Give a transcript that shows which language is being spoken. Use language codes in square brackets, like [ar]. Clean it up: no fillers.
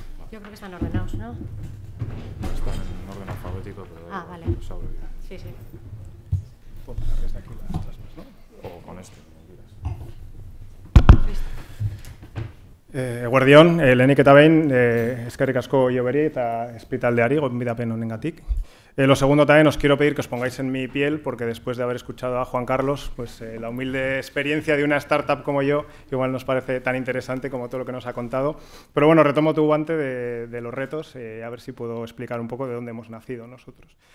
[es] Yo creo que están ordenados, ¿no? Están en orden alfabético, pero... Ah, vale. Los abro yo. Sí, sí. Pues cargas de aquí las chaspas, ¿no? O con este. [eu] Guardión, lehenik eta behin, eskerrik asko Ioberi eta espitaldeari, gonbidapen honengatik. [es] Lo segundo también, os quiero pedir que os pongáis en mi piel, porque después de haber escuchado a Juan Carlos, pues la humilde experiencia de una startup como yo, igual nos parece tan interesante como todo lo que nos ha contado. Pero bueno, retomo tu guante de los retos, a ver si puedo explicar un poco de dónde hemos nacido nosotros.